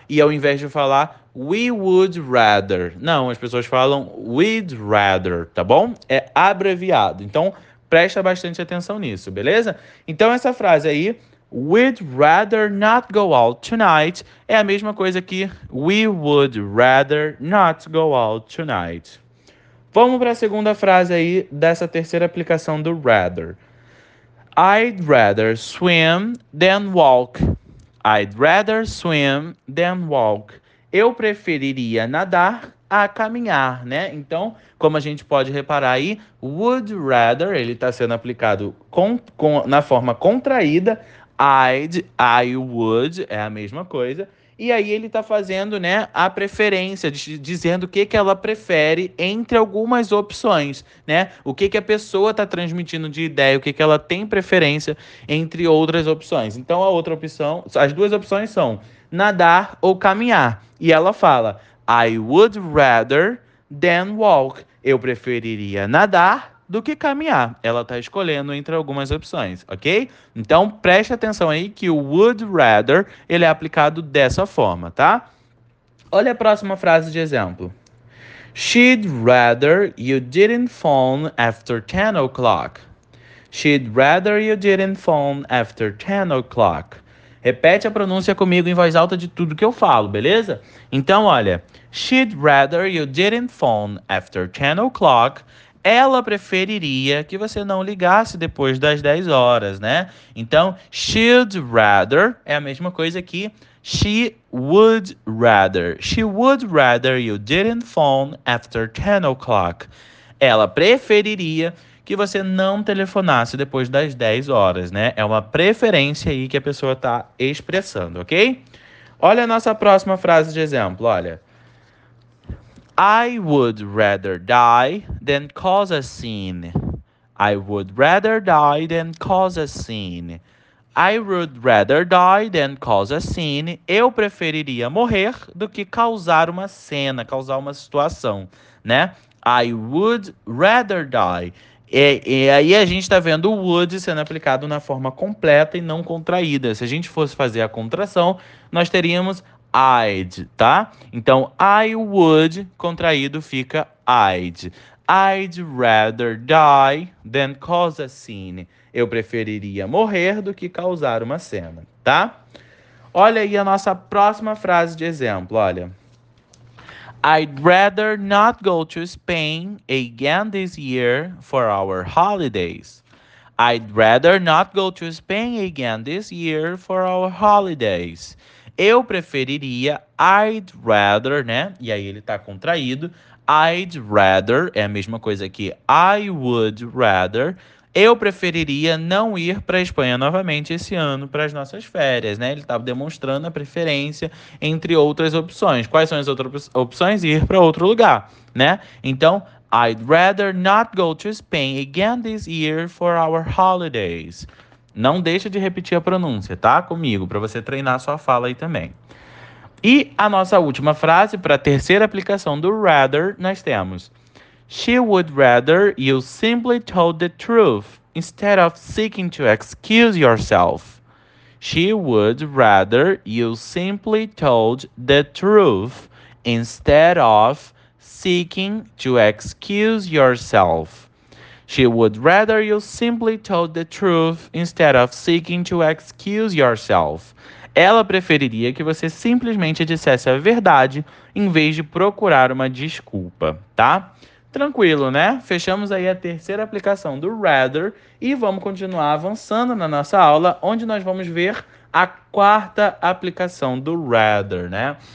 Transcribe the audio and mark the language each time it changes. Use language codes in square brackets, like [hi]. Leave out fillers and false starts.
[pt] E ao invés de falar [en] we would rather. [pt] Não, as pessoas falam [en] we'd rather, [pt] tá bom? É abreviado. Então, presta bastante atenção nisso, beleza? Então, essa frase aí. [en] We'd rather not go out tonight. [pt] É a mesma coisa que [en] we would rather not go out tonight. [pt] Vamos para a segunda frase aí dessa terceira aplicação do rather. [en] I'd rather swim than walk. I'd rather swim than walk. [pt] Eu preferiria nadar a caminhar, né? Então, como a gente pode reparar aí, would rather, ele está sendo aplicado na forma contraída. [en] I would, [pt] é a mesma coisa. E aí ele está fazendo, né, a preferência, dizendo o que que ela prefere entre algumas opções, né? O que que a pessoa está transmitindo de ideia, o que que ela tem preferência entre outras opções. Então a outra opção, as duas opções são nadar ou caminhar. E ela fala, [en] I would rather than walk. [pt] Eu preferiria nadar do que caminhar. Ela está escolhendo entre algumas opções, ok? Então preste atenção aí que o would rather ele é aplicado dessa forma, tá? Olha a próxima frase de exemplo. [en] She'd rather you didn't phone after 10 o'clock. She'd rather you didn't phone after 10 o'clock. [pt] Repete a pronúncia comigo em voz alta de tudo que eu falo, beleza? Então olha, [en] she'd rather you didn't phone after 10 o'clock. [pt] Ela preferiria que você não ligasse depois das 10 horas, né? Então, [en] she'd rather [pt] é a mesma coisa que [en] she would rather. She would rather you didn't phone after 10 o'clock. [pt] Ela preferiria que você não telefonasse depois das 10 horas, né? É uma preferência aí que a pessoa está expressando, ok? Olha a nossa próxima frase de exemplo, olha. [en] I would rather die than cause a scene. I would rather die than cause a scene. I would rather die than cause a scene. [pt] Eu preferiria morrer do que causar uma cena, causar uma situação, né? [en] I would rather die. [pt] E aí a gente está vendo o would sendo aplicado na forma completa e não contraída. Se a gente fosse fazer a contração, nós teríamos I'd, tá? Então, [en] I would [pt] contraído fica I'd. [en] I'd rather die than cause a scene. [pt] Eu preferiria morrer do que causar uma cena, tá? Olha aí a nossa próxima frase de exemplo, olha. [en] I'd rather not go to Spain again this year for our holidays. I'd rather not go to Spain again this year for our holidays. [pt] Eu preferiria, [en] I'd rather, [pt] né? E aí ele tá contraído. [en] I'd rather [pt] é a mesma coisa que [en] I would rather. [pt] Eu preferiria não ir para a Espanha novamente esse ano para as nossas férias, né? Ele estava demonstrando a preferência entre outras opções. Quais são as outras opções? Ir para outro lugar, né? [en] Então, I'd rather not go to Spain again this year for our holidays. [pt] Não deixa de repetir a pronúncia, tá? Comigo, para você treinar a sua fala aí também. E a nossa última frase, para a terceira aplicação do rather, nós temos: [en] She would rather you simply told the truth. Instead of seeking to excuse yourself, she would rather you simply told the truth instead of seeking to excuse yourself. She would rather you simply told the truth instead of seeking to excuse yourself. [pt] Ela preferiria que você simplesmente dissesse a verdade em vez de procurar uma desculpa, tá? Tranquilo, né? Fechamos aí a terceira aplicação do rather e vamos continuar avançando na nossa aula, onde nós vamos ver a quarta aplicação do rather, né?